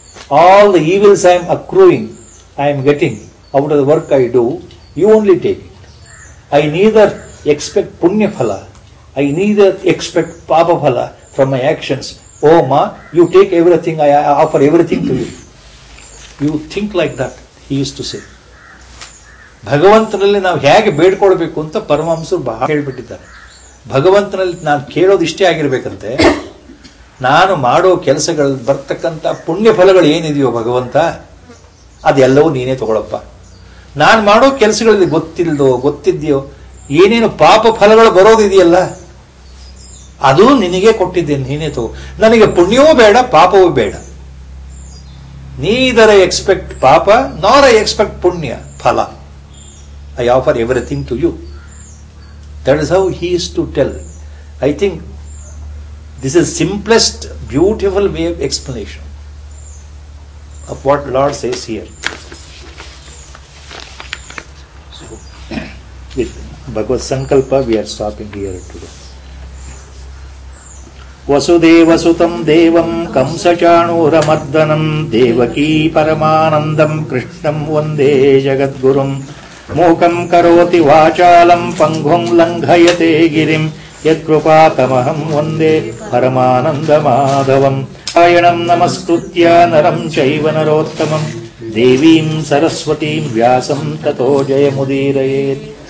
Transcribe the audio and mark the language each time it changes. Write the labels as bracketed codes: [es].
[en] All the evils I am accruing, I am getting out of the work I do, you only take it. I neither expect punya phala, I neither expect papa phala from my actions. Oh ma, you take everything, I offer everything to you. You think like that, he used to say. [kn] ಭಗವಂತನಲ್ಲಿ ನಾವು ಹೇಗೆ ಬೇಡ್ಕೊಳ್ಬೇಕು ಅಂತ ಪರಮಹಂಸರು ಬಹಳ ಹೇಳ್ಬಿಟ್ಟಿದ್ದಾರೆ. ಭಗವಂತನಲ್ಲಿ ನಾನು ಕೇಳೋದು ಇಷ್ಟೇ ಆಗಿರಬೇಕಂತೆ, ನಾನು ಮಾಡೋ ಕೆಲಸಗಳು ಬರ್ತಕ್ಕಂಥ ಪುಣ್ಯ ಫಲಗಳು ಏನಿದೆಯೋ ಭಗವಂತ, ಅದೆಲ್ಲವೂ ನೀನೇ ತಗೊಳಪ್ಪ. ನಾನು ಮಾಡೋ ಕೆಲಸಗಳಲ್ಲಿ ಗೊತ್ತಿಲ್ಲದೋ ಗೊತ್ತಿದ್ಯೋ ಏನೇನು ಪಾಪ ಫಲಗಳು ಬರೋದಿದೆಯಲ್ಲ, ಅದು ನಿನಗೆ ಕೊಟ್ಟಿದ್ದೇನೆ, ನೀನೇ ತಗೋ. ನನಗೆ ಪುಣ್ಯವೂ ಬೇಡ, ಪಾಪವೂ ಬೇಡ. [en] Neither expect ಪಾಪ nor I expect ಪುಣ್ಯ ಫಲ. I offer everything to you. That is how he is to tell. I think this is simplest, beautiful way of explanation of what Lord says here. So, with Bhagavad Sankalpa, we are stopping here today. [sa] Vasudeva ಸುತಂ ದೇವಂ ಕಂಸಚಾಣೂರ ಮರ್ದನಂ ದೇವಕೀ ಪರಮಾನಂದಂ ಕೃಷ್ಣಂ ವಂದೇ ಜಗದ್ಗುರುಂ ಮೋಕಂ ಕರೋತಿ ವಾಚಾಲಂ ಪಂಗುಂ ಲಂಘಯತೆ ಗಿರಿಂ ಯತ್ಕೃಪಾತಮಹಂ ವಂದೇ ಪರಮಾನಂದ ಮಾಧವಂ ಆಯಣಂ ನಮಸ್ಕೃತ್ಯ ನರಂ ಚೈವ ನರೋತ್ತಮಂ ದೇವೀಂ ಸರಸ್ವತೀಂ ವ್ಯಾಸಂ ತತೋ ಜಯ ಮುದೀರಯೇತ್.